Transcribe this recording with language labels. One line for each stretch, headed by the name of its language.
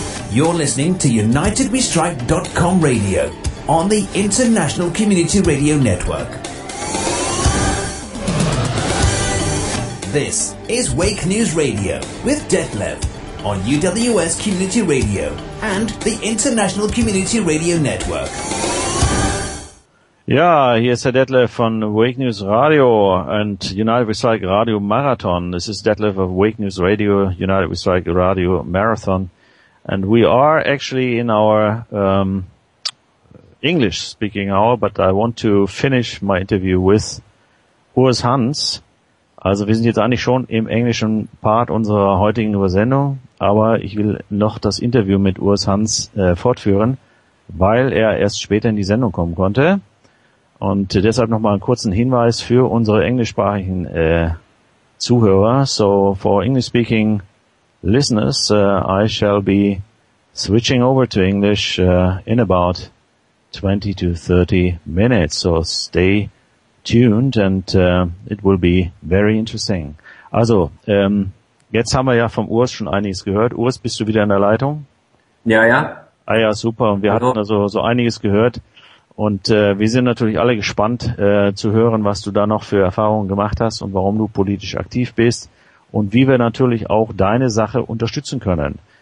English: You're listening to UnitedWeStrike.com Radio on the International Community Radio Network. This is Wake News Radio with Detlev on UWS Community Radio and the International Community Radio Network.
German: Ja, hier ist Herr Detlev von Wake News Radio and United We Strike Radio Marathon.
English: This is Detlev of Wake News Radio, United We Strike Radio Marathon. And we are actually in our English speaking hour, but I want to finish my interview with Urs Hans.
German: Also wir sind jetzt eigentlich schon im englischen Part unserer heutigen Übersendung, aber ich will noch das Interview mit Urs Hans fortführen, weil er erst später in die Sendung kommen konnte. Und deshalb nochmal einen kurzen Hinweis für unsere englischsprachigen Zuhörer.
English: So for English speaking listeners, I shall be switching over to English in about 20 to 30 minutes, so stay tuned and it will be very interesting.
German: Also, jetzt haben wir ja vom Urs schon einiges gehört. Urs, bist du wieder in der Leitung? Ja, ja. Ah ja, super. Und wir hatten also so einiges gehört. Und wir sind natürlich alle gespannt zu hören, was du da noch für Erfahrungen gemacht hast und warum du politisch aktiv bist und wie wir natürlich auch deine Sache unterstützen können.